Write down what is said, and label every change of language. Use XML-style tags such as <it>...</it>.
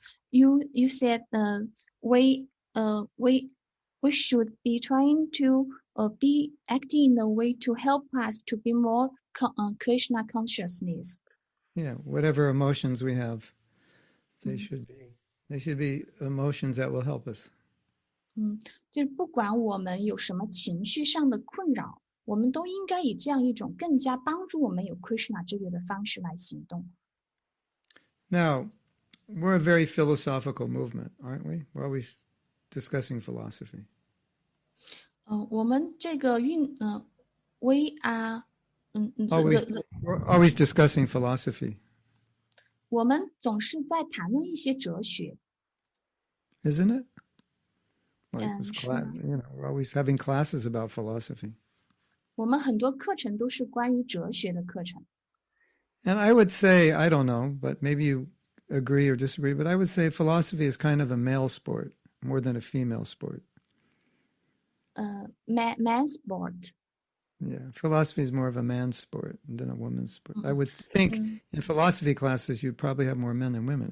<en>you said we should be trying to be acting in a way to help us to be more Krishna consciousness. Yeah, whatever emotions we have, they should be. They should be emotions that will help us.</en> <zh>就是不管我们有什么情绪上的困扰, 我们都应该以这样一种更加帮助我们有 Krishna 之约的方式来行动。</zh> <en>Now, we're a very philosophical movement, aren't we? We're always discussing philosophy.</en> <zh>我们这个运,</zh> <en>we are... Always discussing philosophy.</en> <zh>我们总是在谈论一些哲学。</zh> <en>Isn't it? We're always having classes about philosophy.</en> <zh>我们很多课程都是关于哲学的课程。</zh> <en>And I would say, I don't know, but maybe you agree or disagree, but I would say philosophy is kind of a male sport, more than a female sport. Man's sport. Yeah, philosophy is more of a man's sport than a woman's sport. I would think in philosophy classes, you'd probably have more men than women.</en>